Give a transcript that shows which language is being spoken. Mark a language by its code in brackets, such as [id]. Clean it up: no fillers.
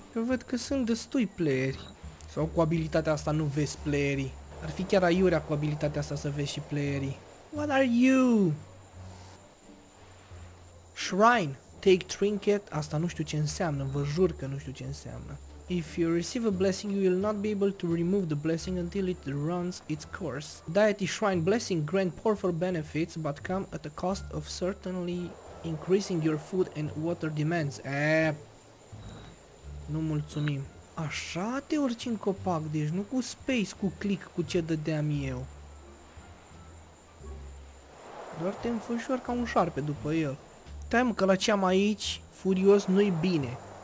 [ro] Eu văd că sunt destui playeri. Sau cu abilitatea asta nu vezi playerii. Ar fi chiar aiurea cu abilitatea asta să vezi și playerii. [en] What are you? [ro] Shrine. Take trinket. Asta nu știu ce înseamnă. Vă jur că nu știu ce înseamnă. [en] If you receive a blessing, you will not be able to remove the blessing until it runs its course. Deity Shrine blessing grant powerful benefits, but come at the cost of certainly increasing your food and water demands. [ro] Nu mulțumim. Așa te urci în copac, deci nu cu space, cu click, cu ce dădeam eu. Doar te înfășor ca un șarpe după el. Tăi mă, că la ce am aici, furios, nu-i bine.